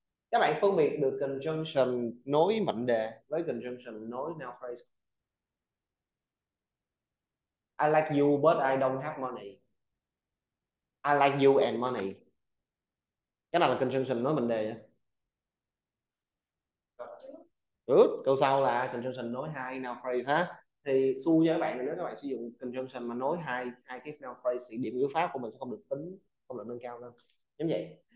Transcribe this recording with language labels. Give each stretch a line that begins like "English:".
Vietnamese: Các bạn phân biệt được conjunction nối mệnh đề với conjunction nối noun phrase.
English: I like you but I don't have money. I like you and money.
Vietnamese: Cái nào là conjunction nối mệnh đề nhỉ?
English: Good.
Vietnamese: Câu sau là conjunction nối hai noun phrase ha. Thì su cho các bạn là nếu các bạn sử dụng conjunction mà nối hai cái noun phrase thì điểm ngữ pháp của mình sẽ không được tính, không được nâng cao lên. Giống vậy.